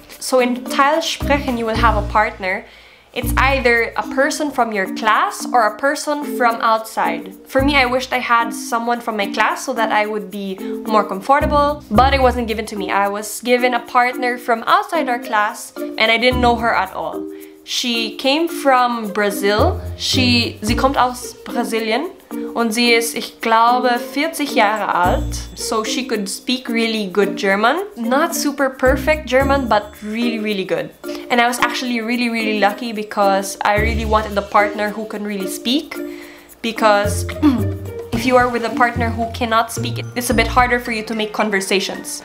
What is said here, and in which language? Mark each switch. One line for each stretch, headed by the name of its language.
English: So in Teilsprechen, you will have a partner. It's either a person from your class or a person from outside. For me, I wished I had someone from my class so that I would be more comfortable, but it wasn't given to me. I was given a partner from outside our class, and I didn't know her at all. She came from Brazil.
German: Sie kommt aus Brasilien, und sie ist, ich glaube, 40 Jahre alt.
English: So she could speak really good German. Not super perfect German, but really, really good. And I was actually really, really lucky, because I really wanted a partner who can really speak. Because if you are with a partner who cannot speak, it's a bit harder for you to make conversations.